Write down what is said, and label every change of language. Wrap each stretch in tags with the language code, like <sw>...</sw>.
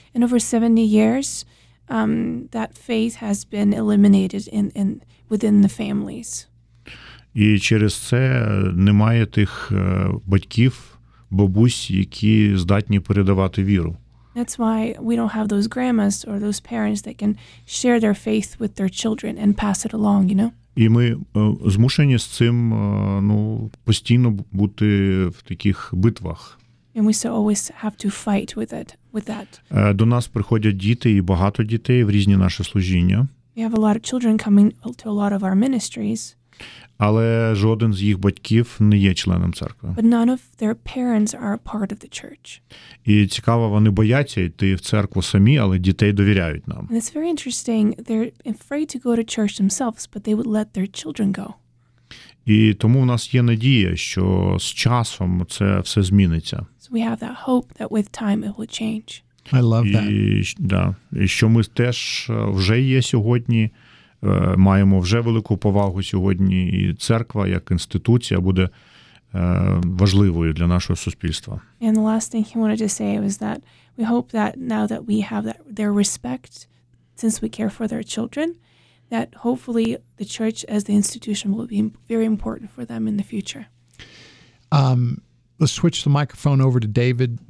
<en>And over 70 years, that faith has been eliminated in within the families.</en> <uk>І через це немає тих батьків, бабусь, які здатні передавати віру.</uk> <en>That's why we don't have those grandmas or those parents that can share their faith with their children and pass it along, you know?</en> <uk>І ми змушені з цим, ну, постійно бути в таких битвах.</uk> <en>And we so always have to fight with it, with that.</en> <uk>До нас приходять діти і багато дітей в різні наші служіння.</uk> <en>We have a lot of children coming to a lot of our ministries.</en> <uk>Але жоден з їх батьків не є членом церкви.</uk> <en>But none of their parents are a part of the church.</en> <uk>І цікаво, вони бояться йти в церкву самі, але дітей довіряють нам.</uk> <en>And it's very interesting. They're afraid to go to church themselves, but they would let their children go.</en> <uk>І тому у нас є надія, що з часом це все зміниться.</uk> <en>So we have that hope that with time it will change. I love that.</en> <uk>І що ми теж вже є сьогодні. Маємо вже велику повагу сьогодні, і церква як інституція буде важливою для нашого суспільства.</uk> <en>And the last thing he wanted to say was that we hope that now that we have that their respect, since we care for their children, that hopefully the church as the institution will be very important for them in the future. Let's switch the microphone over to David.</en>